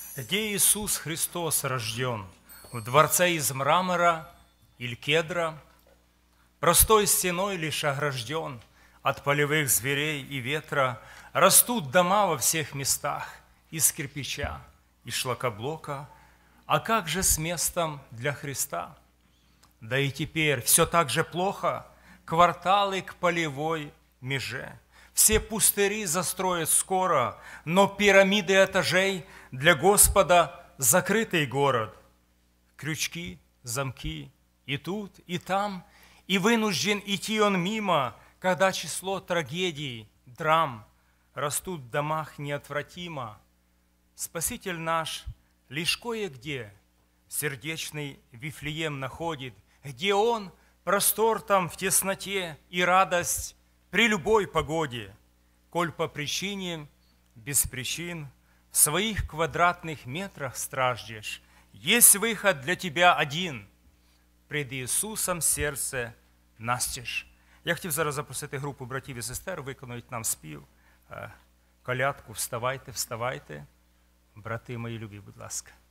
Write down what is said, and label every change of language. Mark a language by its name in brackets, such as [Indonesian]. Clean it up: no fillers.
[Russian] Де Ісус Христос рожден? В дворце із мрамора іль кедра? Простой стіною лиш огражден от полевых зверей і ветра. Растут дома во всіх містах із кирпича і шлакоблока. А как же с местом для Христа? Да и теперь все так же плохо. Кварталы к полевой меже. Все пустыри застроят скоро, но пирамиды этажей для Господа – закрытый город. Крючки, замки и тут, и там, и вынужден идти он мимо, когда число трагедий, драм растут в домах неотвратимо. Спаситель наш лишь кое-где сердечный Вифлеем находит, где он простор там в тесноте и радость при любой погоде, коль по причине, без причин, в своих квадратных метрах страждешь, есть выход для тебя один, пред Иисусом сердце настежь. [Ukrainian] Я хотів зараз запросити групу братів і сестер виконують нам спів, колядку «Вставайте, вставайте, брати мої любі, будь ласка».